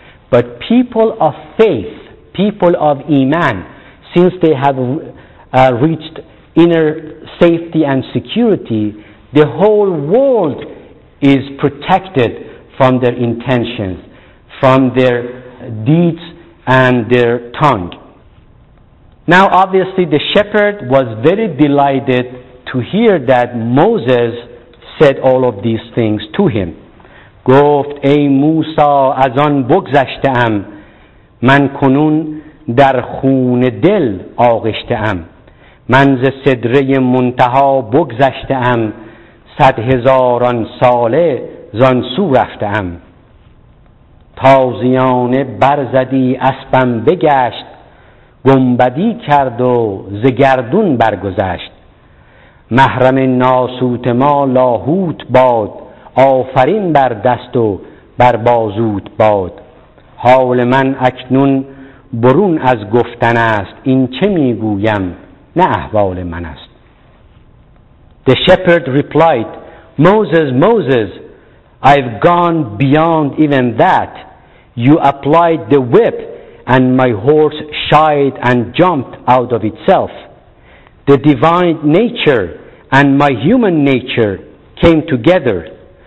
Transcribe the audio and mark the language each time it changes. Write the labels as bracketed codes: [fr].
[en] But people of faith, people of Iman, since they have reached inner safety and security, the whole world is protected from their intentions, from their deeds and their tongue. Now, obviously, the shepherd was very delighted to hear that Moses said all of these things to him. [fa] گفت ای موسی از آن بگذشته ام من کنون در خون دل آغشته ام من ز سدره منتها بگذشته ام صد هزاران ساله زان سو رفته ام تازیانه برزدی اسبم بگشت گنبدی کرد و ز گردون برگذشت محرم ناسوت ما لاهوت باد آفرین بر دست و بر بازوت باد حال من اکنون برون از گفتن است این چه میگویم نه احوال من است. [en] The shepherd replied, Moses, Moses, I've gone beyond even that. You applied the whip and my horse shied and jumped out of itself. The divine nature and my human nature came together.